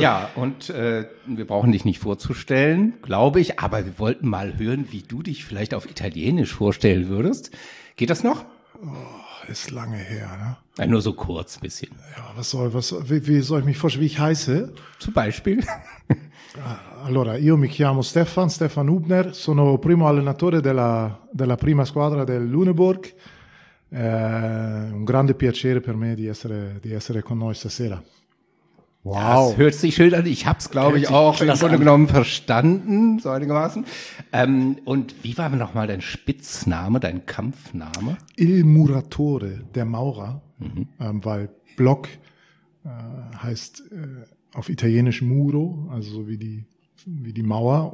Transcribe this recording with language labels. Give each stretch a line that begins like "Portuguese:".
German: Ja, und wir brauchen dich nicht vorzustellen, glaube ich, aber wir wollten mal hören, wie du dich vielleicht auf Italienisch vorstellen würdest. Geht das noch? Oh, ist lange her, ne? Ja, nur so kurz ein bisschen. Ja, wie soll ich mich vorstellen, wie ich heiße? Zum Beispiel.
Italian: Allora, io mi chiamo Stefan Hübner, sono primo allenatore della prima squadra del Lüneburg. Un grande piacere per me di essere con noi stasera.
German: Wow. Ja, das hört sich schön an. Ich habe es, glaube ich, auch im Grunde genommen verstanden, so einigermaßen. Und wie war noch mal dein Spitzname, dein Kampfname? Il Muratore, der Maurer, weil Block heißt auf Italienisch Muro, also so wie die Mauer.